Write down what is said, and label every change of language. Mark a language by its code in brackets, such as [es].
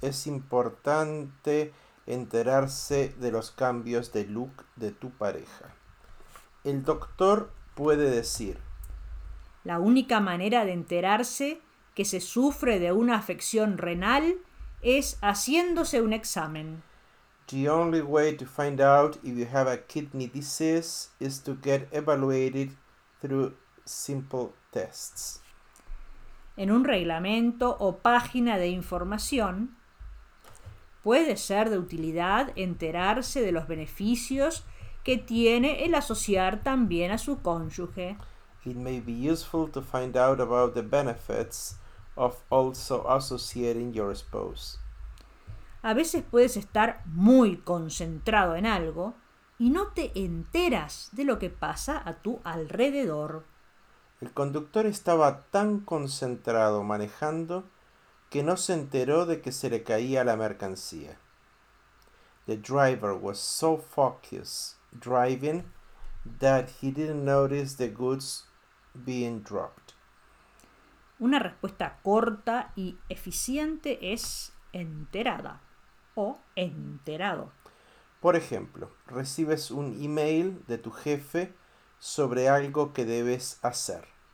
[es] Es importante enterarse de los cambios de look de tu pareja. El doctor puede decir: la única manera de enterarse que se sufre de una afección renal es haciéndose un examen. [en] The only way to find out if you have a kidney disease is to get evaluated through simple tests. [es] En un reglamento o página de información, puede ser de utilidad enterarse de los beneficios que tiene el asociar también a su cónyuge. [en] It may be useful to find out about the benefits of also associating your spouse. [es] A veces puedes estar muy concentrado en algo y no te enteras de lo que pasa a tu alrededor. El conductor estaba tan concentrado manejando que no se enteró de que se le caía la mercancía. [en] The driver was so focused driving that he didn't notice the goods being dropped. [es] Una respuesta corta y eficiente es enterada o enterado. Por ejemplo, recibes un email de tu jefe sobre algo que debes hacer.